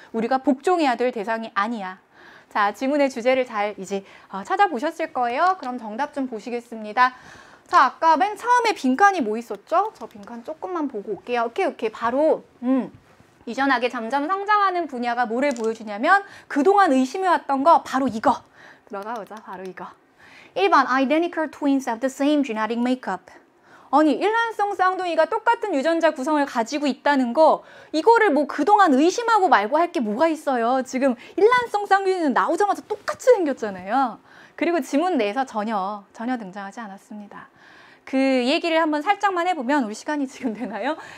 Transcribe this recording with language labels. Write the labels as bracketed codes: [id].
[ko] 우리가 복종해야 될 대상이 아니야. 자, 질문의 주제를 잘 이제 찾아보셨을 거예요. 그럼 정답 좀 보시겠습니다. 자, 아까 맨 처음에 빈칸이 뭐 있었죠? 저 빈칸 조금만 보고 올게요. 오케이, 오케이. 바로 유전학에 점점 성장하는 분야가 뭐를 보여주냐면 그동안 의심해왔던 거 바로 이거. 들어가 보자, 바로 이거. [en] 1번, identical twins have the same genetic makeup. [ko] 아니, 일란성 쌍둥이가 똑같은 유전자 구성을 가지고 있다는 거, 이거를 뭐 그동안 의심하고 말고 할 게 뭐가 있어요. 지금 일란성 쌍둥이는 나오자마자 똑같이 생겼잖아요. 그리고 지문 내에서 전혀 등장하지 않았습니다. 그 얘기를 한번 살짝만 해보면, 우리 시간이 지금 되나요?